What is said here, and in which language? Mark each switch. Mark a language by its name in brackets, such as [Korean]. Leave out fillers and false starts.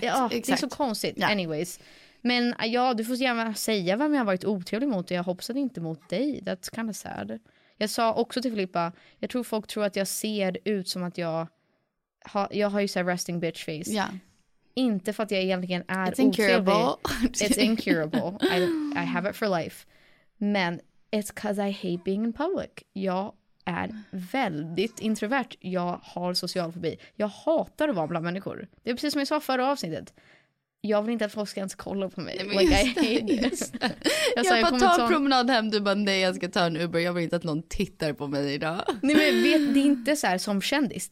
[Swedish] Det är så konstigt, anyways. Men ja, du får gärna säga vem jag har varit otrevlig mot, och jag hoppsade inte mot dig. [English] That's kind of sad. [Swedish] Jag sa också till Filippa, jag tror folk tror att jag ser ut som att jag har ju så här resting bitch face. [English] Yeah. [Swedish] Inte för att jag egentligen är otrevlig. [English] It's incurable. It's incurable. I have it for life. Men it's because I hate being in public. Jag [Swedish] är väldigt introvert. Jag har social fobi. Jag hatar att vara bland människor. Det är precis som jag sa förra avsnittet. Jag vill inte att folk ska ens kolla på mig. Nej, like, jag bara tar en promenad hem. Du bara, nej, jag ska ta en Uber. Jag vill inte att någon tittar på mig idag. Nej, men vet, det är inte så här som kändis.